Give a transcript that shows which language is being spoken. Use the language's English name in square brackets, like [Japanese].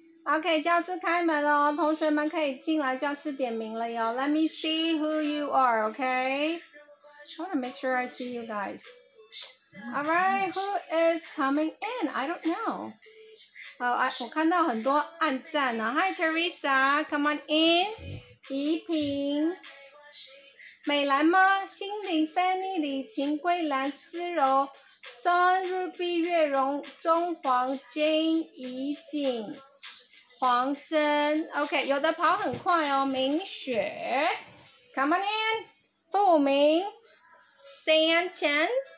[Chinese] OK, 教室开门了，同学们可以进来教室点名了哟。 [English] Let me see who you are, OK? I want to make sure I see you guys. All right, who is coming in? I don't know. [Chinese] Oh, 我看到很多按赞了。 [English] Hi, Teresa. Come on in. 怡萍。美兰吗？ [Chinese] 心灵 Fanny 李晴桂兰思柔 Sun Ruby 月荣中黄 Jane 怡景黄珍 OK 有的跑很快哦明雪 [English] Come on in [Chinese] 傅明 San Chen